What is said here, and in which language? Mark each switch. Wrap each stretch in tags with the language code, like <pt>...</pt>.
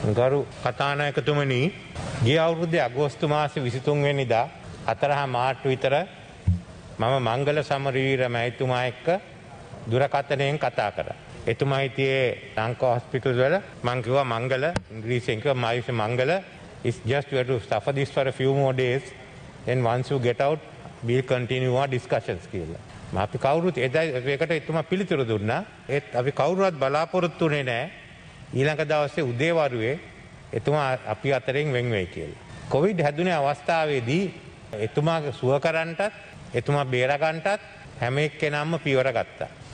<si>ගරු කථානායකතුමනි, ගිය අවුරුද්දේ අගෝස්තු මාසේ 23 වෙනිදා 4 මාර්තු විතර මම මංගල සමරවීර මහත්මයා එක්ක දුරකථනයෙන් කතා කරා. එතුමා හිටියේ ලංකා හොස්පිටල් වල. මං කිව්වා මංගල, ඉංග්‍රීසියෙන් කිව්වා මයි ෆේ මංගල</si> <en>is just you have to suffer this for a few more days and once you get out we'll continue our discussions</en> <si>කියලා. මම අපි කවුරුත් ඒකට එතුමා පිළිතුරු දුන්නා. ඒත් අපි කවුරුවත් බලාපොරොත්තුුනේ නැහැ. ඊළඟ දවසේ උදේ වරුවේ එතුමා අපි අතරින් වෙන් වෙයි කියලා. කොවිඩ් හැදුනේ අවස්ථාවේදී එතුමා සුව කරන්නටත් එතුමා බේරා ගන්නටත් හැම එක්කෙනාම පියවර ගත්තා.</si>